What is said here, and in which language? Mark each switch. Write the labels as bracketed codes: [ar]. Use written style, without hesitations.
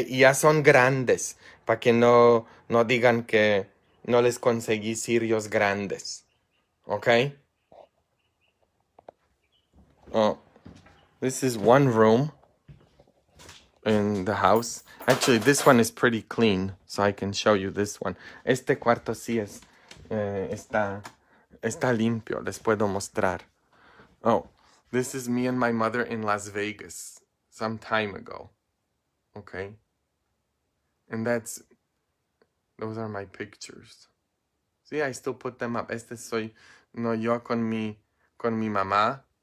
[es] Y ya son grandes, para que no digan que no les conseguí sirios grandes, ¿ok? [en] Oh, this is one room in the house. Actually, this one is pretty clean, so I can show you this one. [es] Este cuarto sí es, está limpio, les puedo mostrar. [en] Oh, this is me and my mother in Las Vegas some time ago. Okay. And those are my pictures. See, I still put them up. [es] Este soy, no, yo con mi mamá.